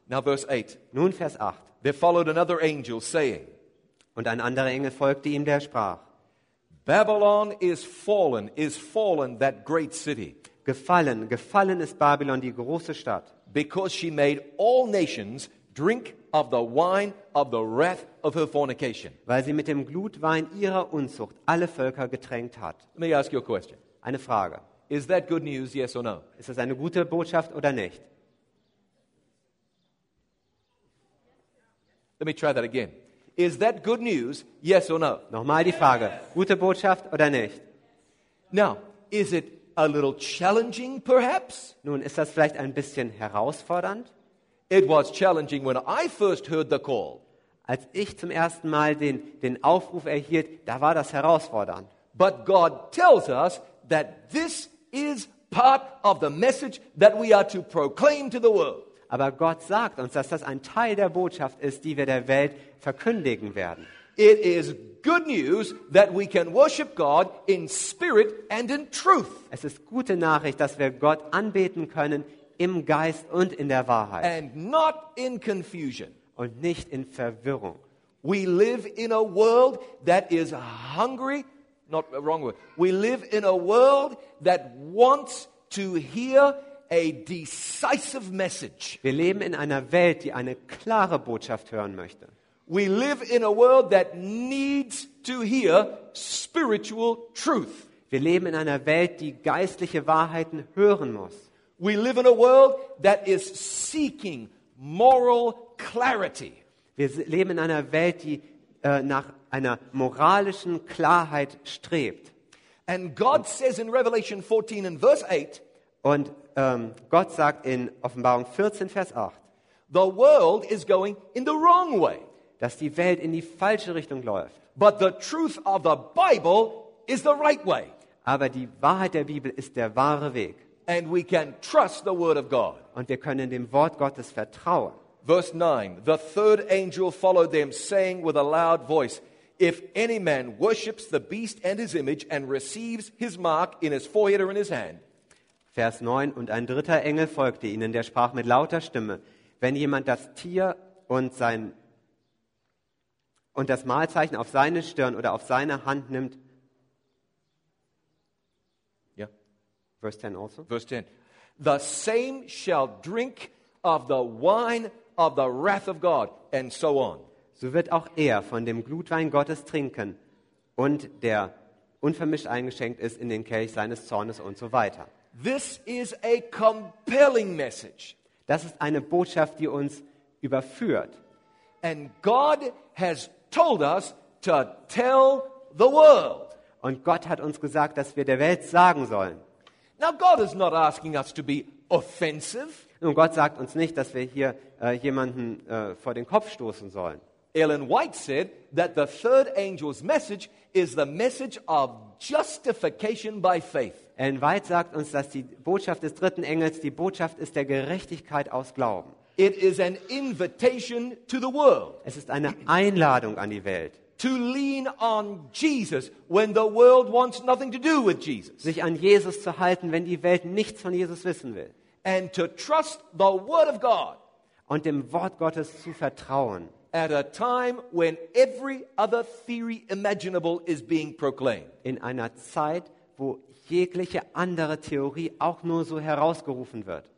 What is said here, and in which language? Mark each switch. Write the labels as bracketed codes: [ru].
[en] Now verse 8. [de] Nun Vers 8. [en] There followed another angel saying. [de] Und ein anderer Engel folgte ihm, der sprach. [en] Babylon is fallen that great city. [de] Gefallen, gefallen ist Babylon, die große Stadt. [en] Because she made all nations drink of the wine of the wrath of her fornication. [de] Weil sie mit dem Glutwein ihrer Unzucht alle Völker getränkt hat. [en] Let me ask you a question. [de] Eine Frage. [en] Is that good news, yes or no? [de] Ist das eine gute Botschaft oder nicht? [en] Let me try that again. Is that good news, yes or no? [de] Nochmal die Frage. Gute Botschaft oder nicht? [en] Now, is it a little challenging, perhaps? [de] Nun, ist das vielleicht ein bisschen herausfordernd? [en] It was challenging when I first heard the call. [de] Als ich zum ersten Mal den Aufruf erhielt, da war das herausfordernd. [en] But God tells us that this is part of the message that we are to proclaim to the world. [de] Aber Gott sagt uns, dass das ein Teil der Botschaft ist, die wir der Welt verkündigen werden. [en] It is good news that we can worship God in spirit and in truth. [de] Es ist gute Nachricht, dass wir Gott anbeten können im Geist und in der Wahrheit. [en] And not in confusion. [de] Und nicht in Verwirrung. [en] We live in a world that is hungry. Not a wrong word. We live in a world that wants to hear a decisive message. [de] Wir leben in einer Welt, die eine klare Botschaft hören möchte. [en] We live in a world that needs to hear spiritual truth. [de] Wir leben in einer Welt, die geistliche Wahrheiten hören muss. [en] We live in a world that is seeking moral clarity. [de] Wir leben in einer Welt, die nach einer moralischen Klarheit strebt. [en] And God says in Revelation 14 and verse 8, [de] und Gott sagt in Offenbarung 14 Vers 8, [en] the world is going in the wrong way, [de] dass die Welt in die falsche Richtung läuft. [en] But the truth of the Bible is the right way. [de] Aber die Wahrheit der Bibel ist der wahre Weg. [en] And we can trust the word of God. [de] Und wir können dem Wort Gottes vertrauen. [en] Verse 9, the third angel followed them, saying with a loud voice, if any man worships the beast and his image and receives his mark in his forehead or in his hand. [de] Vers 9, und ein dritter Engel folgte ihnen, der sprach mit lauter Stimme, wenn jemand das Tier und das Mahlzeichen auf seine Stirn oder auf seine Hand nimmt. [en] Yeah. Verse 10 also. Verse 10. The same shall drink of the wine of the wrath of God, and so on. [de] So wird auch er von dem Glutwein Gottes trinken und der unvermischt eingeschenkt ist in den Kelch seines Zornes und so weiter. [en] This is a compelling message. [de] Das ist eine Botschaft, die uns überführt. [en] And God has told us to tell the world. [de] Und Gott hat uns gesagt, dass wir der Welt sagen sollen. [en] Now God is not asking us to be offensive. [de] Nun, Gott sagt uns nicht, dass wir hier jemanden vor den Kopf stoßen sollen. [en] Ellen White said that the third angel's message is the message of justification by faith. [de] Ellen White sagt uns, dass die Botschaft des dritten Engels die Botschaft ist der Gerechtigkeit aus Glauben. [en] It is an invitation to the world. [de] Es ist eine Einladung an die Welt. [en] To lean on Jesus when the world wants nothing to do with Jesus. [de] Sich an Jesus zu halten, wenn die Welt nichts von Jesus wissen will. [en] And to trust the word of God. [de] Und dem Wort Gottes zu vertrauen. [en] At a time when every other theory imaginable is being proclaimed. [de] In einer Zeit, wo jegliche andere Theorie auch nur so herausgerufen wird.